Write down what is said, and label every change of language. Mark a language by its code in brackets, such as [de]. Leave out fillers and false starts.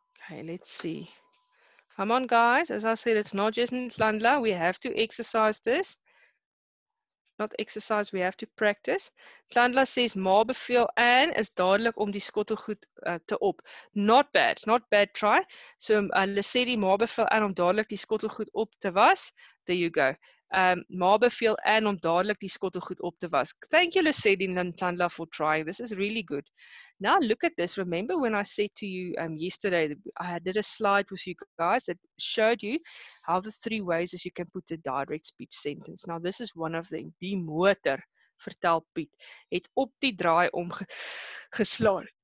[en] Okay, let's see. Come on, guys. As I said, it's not just in Tlandla. We have to exercise this. Not exercise, we have to practice. Tlandla says, [af] Ma beveel aan is dadelijk om die skottel goed te op. [en] Not bad. Not bad try. [af] So, Lesedi, Ma beveel aan om dadelijk die skottel goed op te was. There you go. Ma beveel aan om dadelijk die skottel goed op te was. [en] Thank you, Lesedi and Tlandla, for trying. This is really good. Now, look at this. Remember when I said to you yesterday, I did a slide with you guys that showed you how the three ways is you can put a direct speech sentence. Now, this is one of them. [af] Die motor, vertel Piet, het op die draai om geslaan.